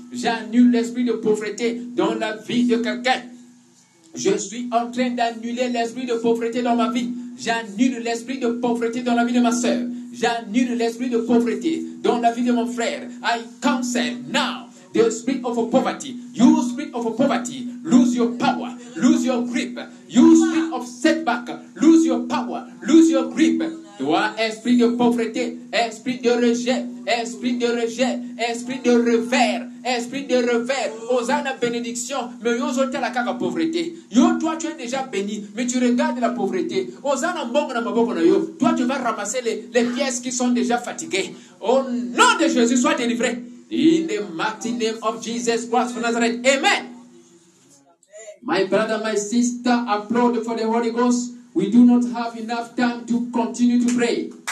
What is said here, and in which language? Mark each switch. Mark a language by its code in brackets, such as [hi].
[fr] J'annule l'esprit de pauvreté dans la vie de quelqu'un. Je suis en train d'annuler l'esprit de pauvreté dans ma vie. J'annule l'esprit de pauvreté dans la vie de ma sœur. J'annule l'esprit de pauvreté dans la vie de mon frère. [en] I cancel now the spirit of poverty. You spirit of poverty, lose your power, lose your grip. You spirit of setback, lose your power, lose your grip. [fr] Toi, esprit de pauvreté, esprit de rejet, esprit de rejet, esprit de revers, esprit de revers, Hosanna bénédiction, mais [ln] yo zote la kaka [fr] pauvreté. Yo, toi, tu es déjà béni, mais tu regardes la pauvreté. Hosanna [ln] mbongo na maboko na yo, [fr] toi, tu vas ramasser les pièces qui sont déjà fatiguées. Au nom de Jésus, sois délivré. [en] In the mighty name of Jesus Christ of Nazareth. Amen. My brother, my sister, applaud for the Holy Ghost. We do not have enough time to continue to pray.